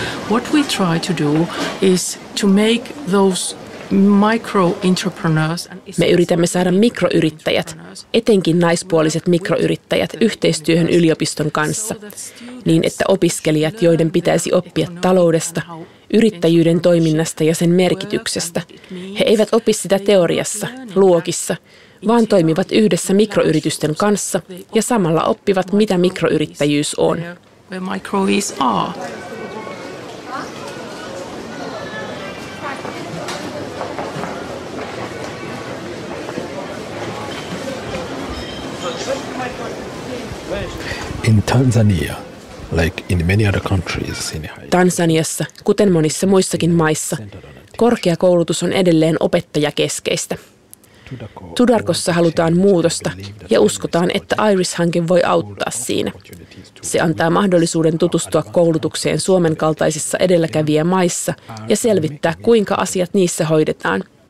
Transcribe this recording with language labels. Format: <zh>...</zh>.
<en>What we try to do is to make those micro entrepreneurs.</en> <fi>Me yritämme saada mikroyrittäjät, etenkin naispuoliset mikroyrittäjät, yhteistyöhön yliopiston kanssa, niin että opiskelijat, joiden pitäisi oppia taloudesta, yrittäjyyden toiminnasta ja sen merkityksestä, he eivät opi sitä teoriassa, luokissa, vaan toimivat yhdessä mikroyritysten kanssa ja samalla oppivat, mitä mikroyrittäjyys on.</fi> <en>Where micro is are. In Tanzania, like in many other countries,</en> <fi>Tansaniassa, kuten monissa muissakin maissa, korkeakoulutus on edelleen opettajakeskeistä. Tudarkossa halutaan muutosta ja uskotaan, että IRIS-hanke voi auttaa siinä. Se antaa mahdollisuuden tutustua koulutukseen Suomen kaltaisissa edelläkävijämaissa ja selvittää, kuinka asiat niissä hoidetaan.</fi>